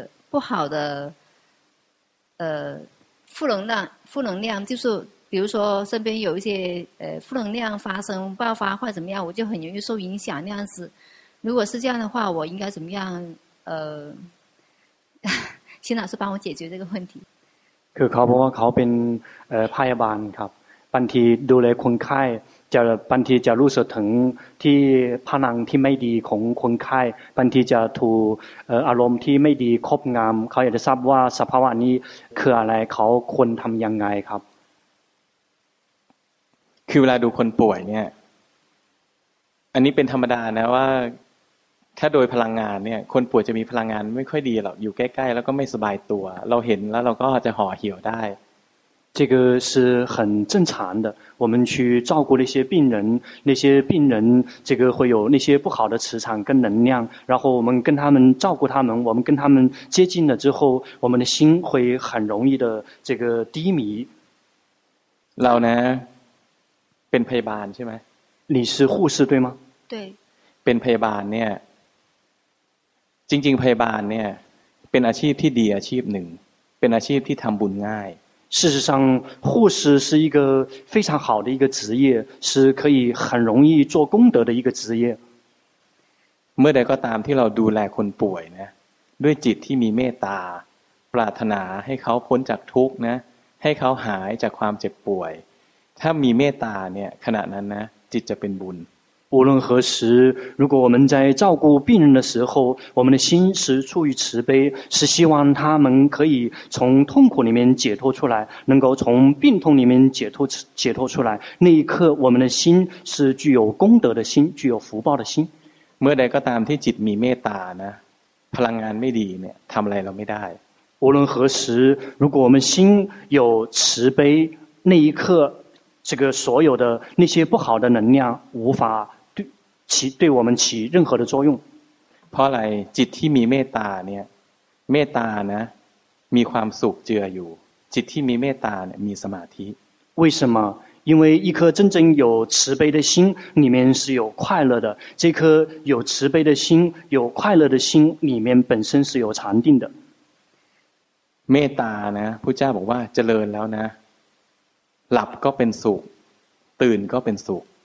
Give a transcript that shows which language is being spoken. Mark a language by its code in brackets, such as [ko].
[zh] 不好的，负能量，就是比如说身边有一些负能量发生爆发或者怎么样，我就很容易受影响那样子。如果是这样的话，我应该怎么样？请老师帮我解决这个问题。 [th] คือเขาบอกว่าเขาเป็นพยาบาลครับบางทีดูแลคนไข้จะบางทีจะรู้สึกถึงที่พลังที่ไม่ดีของคนไข้บางทีจะถูกอารมณ์ที่ไม่ดีครอบงำเขาอยากจะทราบว่าสภาวะนี้คืออะไรเขาควรทำยังไงครับ คือเวลาดูคนป่วยเนี่ยอันนี้เป็นธรรมดานะว่าถ้าโดยพลังงานเนี่ยคนป่วยจะมีพลังงานไม่ค่อยดีหรอกอยู่ใกล้ๆแล้วก็ไม่สบายตัวเราเห็นแล้วเราก็จะห่อเหี่ยวได้ [zh] 这个是很正常的。我们去照顾那些病人，那些病人这个会有那些不好的磁场跟能量。然后我们跟他们照顾他们，我们跟他们接近了之后，我们的心会很容易的这个低迷。 [th] เราเนี่ยเป็นพยาบาลใช่ไหม？ [zh] 你是护士对吗？对。 [th] เป็นพยาบาลเนี่ยจริงๆพยาบาลเนี่ยเป็นอาชีพที่ดีอาชีพหนึ่งเป็นอาชีพที่ทำบุญง่าย。 [zh] 事实上，护士是一个非常好的一个职业，是可以很容易做功德的一个职业。 [th] เมื่อใดก็ตามที่เราดูแลคนป่วยนะด้วยจิตที่มีเมตตาปรารถนาให้เขาพ้นจากทุกข์นะให้เขาหายจากความเจ็บป่วยถ้ามีเมตตาเนี่ยขณะนั้นนะจิตจะเป็นบุญ [zh] 无论何时，如果我们在照顾病人的时候，我们的心是出于慈悲，是希望他们可以从痛苦里面解脱出来，能够从病痛里面解脱出来。那一刻，我们的心是具有功德的心，具有福报的心。 [th] เมื่อใดก็ตามที่จิตมีเมตตานะ พลังงานไม่ดีเนี่ย ทำอะไรเราไม่ได้。 [zh] 无论何时，如果我们心有慈悲，那一刻，这个所有的那些不好的能量无法。对我们起任何的作用。 [th] เพราะอะไรจิตที่มีเมตตาเนี่ยเมตตานะมีความสุขเจืออยู่จิตที่มีเมตตาเนี่ยมีสมาธิ [zh] 为什么因为一颗真正有慈悲的心里面是有快乐的这颗有慈悲的心有快乐的心里面本身是有禅定的 [th] เมตตานะพุทธเจ้าบอกว่าเจริญแล้วนะหลับก็เป็นสุขตื่นก็เป็นสุข